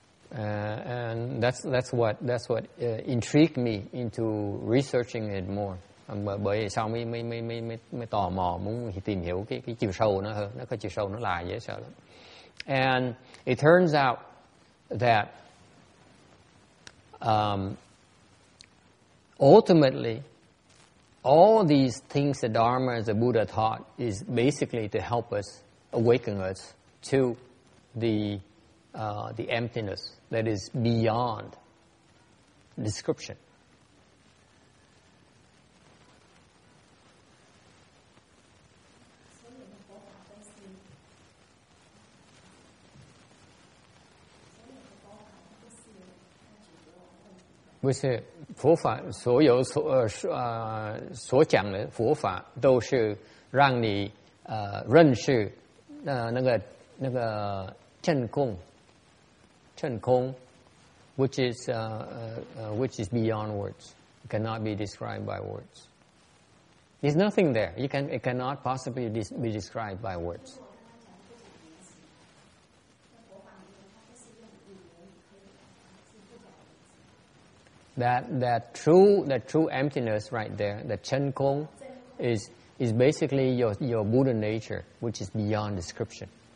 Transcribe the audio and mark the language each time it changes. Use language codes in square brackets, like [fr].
[en] And that's what intrigued me into researching it more. [vi] Bởi vì sao mới tò mò muốn tìm hiểu cái chiều sâu nó hơn, nó có chiều sâu nó lại dễ sợ lắm. [en] And it turns out that ultimately all these things that Dharma and the Buddha taught is basically to help us awaken us to the emptiness that is beyond description. We [zh] 不是佛法所有 所讲的佛法都是让你认识那个真空 [en] which is beyond words, cannot be described by words. There's nothing there. It cannot possibly be described by words. That true emptiness right there, the chen kong, is basically your Buddha nature, which is beyond description.